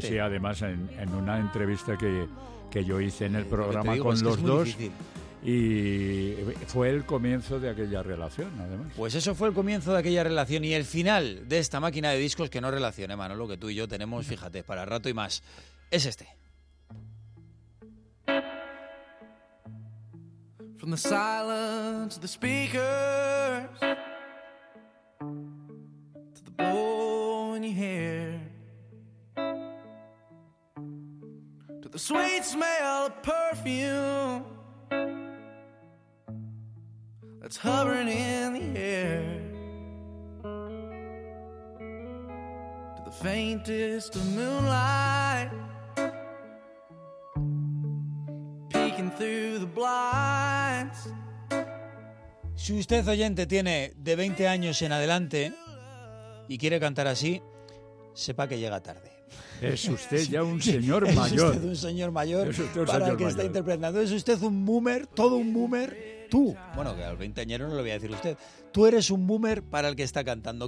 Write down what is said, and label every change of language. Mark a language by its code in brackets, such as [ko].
[es] Sí, sí, además en una entrevista que yo hice en el programa con los dos. Y fue el comienzo de aquella relación, además. Pues eso fue el comienzo de aquella relación y el final de esta máquina de discos que no relacione, Manolo, que tú y yo tenemos, fíjate, para rato y más, es este. [en] From the silence of the speakers to the blow in your hair to the sweet smell of perfume that's hovering in the air to the faintest of moonlight peeking through the blinds. [es] Si usted oyente tiene de 20 años en adelante y quiere cantar así, sepa que llega tarde. Es usted ya un señor mayor. Es usted un señor mayor para el que está interpretando. Es usted un boomer, todo un boomer. Tú, bueno, que al veinteañero no lo voy a decir usted. Tú eres un boomer para el que está cantando.